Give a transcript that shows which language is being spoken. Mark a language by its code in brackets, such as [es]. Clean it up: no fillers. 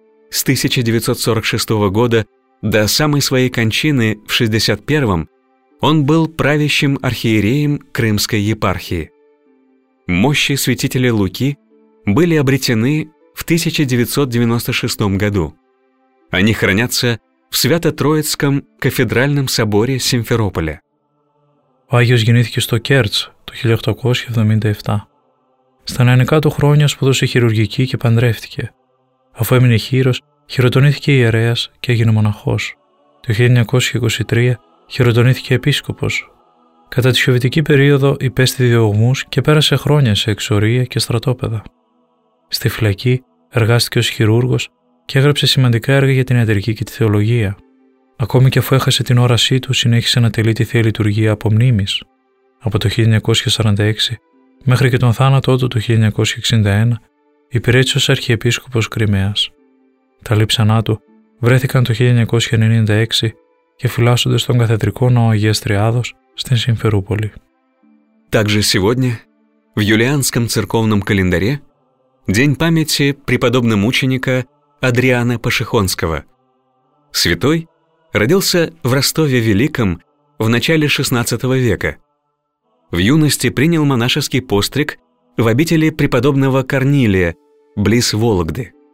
[ru] С 1946 года до самой своей кончины в 1961 он был правящим архиереем Крымской епархии. Мощи святителя Луки были обретены в 1996 году. Они хранятся в Свято-Троицком кафедральном соборе Симферополя. [el] Ο Άγιος γεννήθηκε στο Κέρτς το 1877. Στα νεανικά του χρόνια σπουδούσε χειρουργική και παντρεύτηκε. Αφού έμεινε χείρος, χειροτονήθηκε ιερέας και έγινε μοναχός. Το 1923 χειροτονήθηκε επίσκοπος. Κατά τη σοβιετική περίοδο υπέστη διωγμούς και πέρασε χρόνια σε εξορία και στρατόπεδα. Στη φυλακή εργάστηκε ως χειρούργος και έγραψε σημαντικά έργα για την ιατρική και τη θεολογία. Ακόμη και αφού έχασε την όρασή του, συνέχισε να τελεί τη θεία λειτουργία από μνήμης. Από το 1946 μέχρι και τον θάνατό του το 1961 υπηρέτησε ως αρχιεπίσκοπος Κρυμαίας. Τα λείψανά του βρέθηκαν το 1996 και φυλάσσονται στον καθεδρικό ναό Αγίας Τριάδος στην Σιμφερούπολη. [ru] Также сегодня в юлианском церковном календаре день памяти преподобного мученика Адриана Пашихонского. Святой родился в Ростове Великом в начале 16 века. В юности принял монашеский постриг в обители преподобного Корнилия близ Вологды.